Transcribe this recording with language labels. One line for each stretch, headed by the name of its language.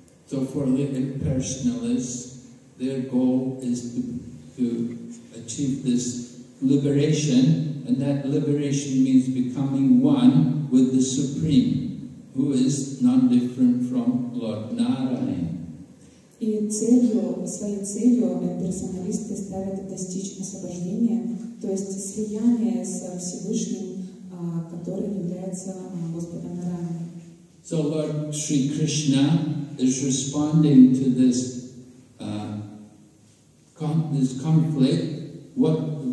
English: So for the impersonalists, their goal is to achieve this liberation, and that liberation means becoming one with the Supreme, who is non-different from Lord Narayan.
Russian: И своей целью персоналисты ставят достичь освобождения, то есть слияние с Всевышним, который является Господом Нараяном.
English: So Lord Sri Krishna is responding to this this conflict.